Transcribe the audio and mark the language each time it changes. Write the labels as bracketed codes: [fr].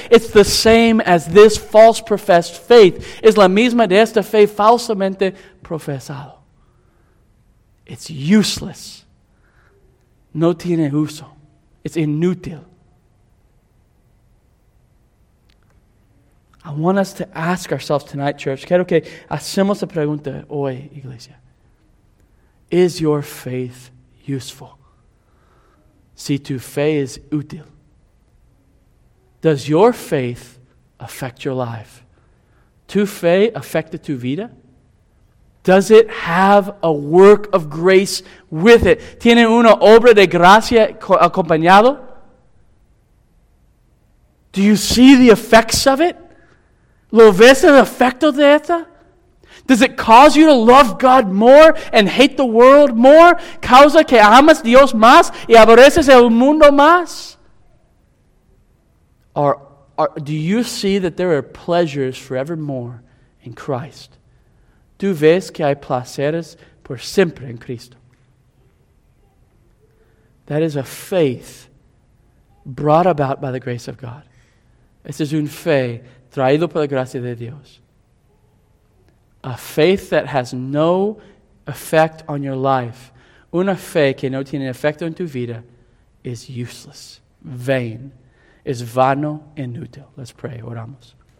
[en] It's the same as this false professed faith. [es] Es la misma de esta fe falsamente profesado. [en] It's useless. [es] No tiene uso. [en] It's inútil. I want us to ask ourselves tonight, church. [es] Quiero que hacemos la pregunta hoy, iglesia. [en] Is your faith useful? [es] Si tu fe es útil. [en] Does your faith affect your life? [es] Tu fe afecta tu vida? [en] Does it have a work of grace with it? [es] ¿Tiene una obra de gracia acompañado? [en] Do you see the effects of it? [es] ¿Lo ves el efecto de esta? [en] Does it cause you to love God more and hate the world more? [es] ¿Causa que amas Dios más y aborreces el mundo más? [en] Or do you see that there are pleasures forevermore in Christ? [es] ¿Tú ves que hay placeres por siempre en Cristo? [en] That is a faith brought about by the grace of God. [es] Esa es una fe traída por la gracia de Dios. [en] A faith that has no effect on your life, [es] una fe que no tiene efecto en tu vida, [en] is useless, vain, [es] es vano, inútil. [en] Let's pray, [es] oramos.